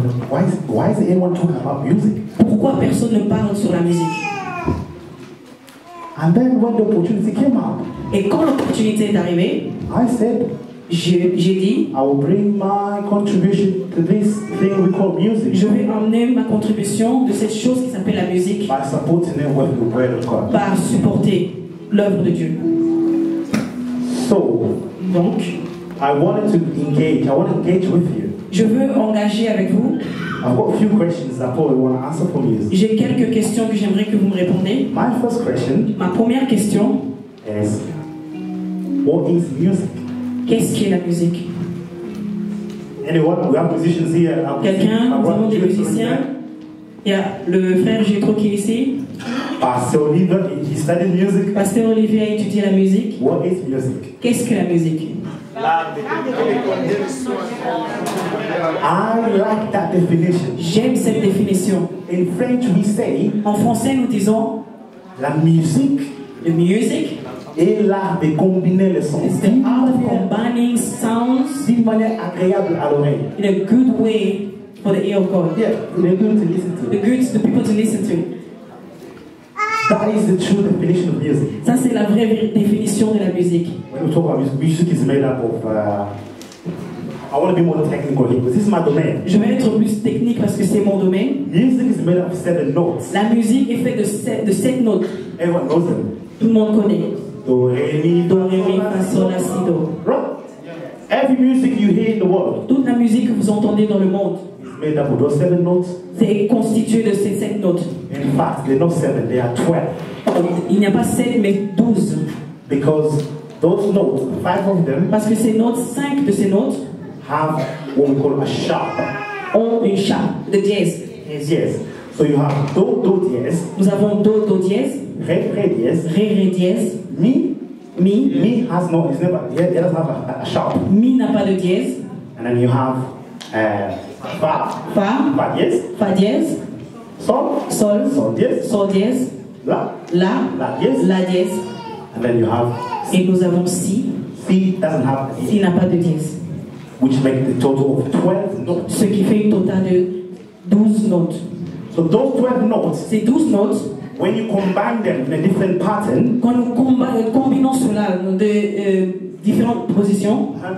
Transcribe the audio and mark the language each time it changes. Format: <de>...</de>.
<en>Why is anyone talking about music?</en> <fr>Pourquoi personne ne parle sur la musique?</fr> <en>And then when the opportunity came up.</en> <fr>Et quand l'opportunité est arrivée.</fr> <en>I said.</en> <fr>J'ai dit,</fr> <en>I will bring my contribution to this thing we call music.</en> <fr>Je vais emmener ma contribution de cette chose qui s'appelle la musique.</fr> <en>By supporting the word of God.</en> <fr>Par supporter l'œuvre de Dieu.</fr> <en>So,</en> <fr>donc,</fr> <en>I want to engage with you.</en> <fr>Je veux engager avec vous.</fr> <en>I've got a few questions that Paul want to answer for me.</en> <fr>J'ai quelques questions que j'aimerais que vous me répondiez.</fr> <en>My first question.</en> <fr>Ma première question.</fr> <en>Is, what is music?</en> <fr>Qu'est-ce qu'est la musique?</fr> <en>Anyone? We have musicians here.</en> <fr>Quelqu'un? Nous avons des musiciens. Il y a le frère Jutro qui est ici.</fr> <en>Pasteur Olivier, he studied music.</en> <fr>Pasteur Olivier a étudié la musique.</fr> <en>What is music?</en> <fr>Qu'est-ce que la musique?</fr> <en>I like that definition.</en> <fr>J'aime cette définition.</fr> <en>In French we say,</en> <fr>en français nous disons, la musique,</fr> <en>the music,</en> <fr>est l'art de combiner les sons.</fr> <en>It's the art of combining sounds</en> <fr>d'une manière agréable à l'oreille.</fr> <en>In a good way for the ear of God. Yeah, they're good to listen to. The good, the people to listen to. That is the true definition of music.</en> <fr>Ça c'est la vraie définition de la musique.</fr> <en>When we talk about music, music is made up of. I want to be more technical here, because this is my domain.</en> <fr>Je vais être plus technique parce que c'est mon domaine.</fr> <en>Music is made up of 7 notes.</en> <fr>La musique est faite de 7 notes.</fr> <en>Everyone knows them.</en> <fr>Tout le monde connaît. Do re mi do re mi fa sol la si do.</fr> <en>Right. Every music you hear in the world.</en> <fr>Toute la musique que vous entendez dans le monde.</fr> <en>Made up of those 7 notes.</en> <fr>C'est constitué de ces 7 notes.</fr> <en>In fact, they're not 7, they are 12.</en> <fr>Il n'y a pas 7, mais 12.</fr> <en>Because those notes, 5 of them.</en> <fr>Parce que ces notes, 5 de ces notes.</fr> <en>Have what we call a sharp.</en> <fr>Ont une sharp, the dièse.</fr> <en>Yes, yes. So you have do, do dièse.</en> <fr>Nous avons do dièse. Ré, ré dièse. Ré, ré dièse. Mi. Mi.</fr> <en>Mi has no, it's never, it doesn't have a sharp.</en> <fr>Mi n'a pas de dièse.</fr> <en>And then you have. Fa.</en> <fr>Fa. Fa dièse. Fa dièse. Sol. Sol. Sol dièse. Sol dièse. La. La. La dièse. La dièse.</fr> <en>And then you have.</en> <fr>Et nous avons si.</fr> <en>Si doesn't have a</en> <fr>dièse. Si n'a pas de dièse.</fr> <en>Which makes the total of 12 notes.</en> <fr>Ce qui fait une total de 12 notes.</fr> <en>So those 12 notes.</en> <fr>Ces 12 notes.</fr> <en>When you combine them in a different pattern.</en> <fr>Quand nous combinons cela de différentes positions.</fr>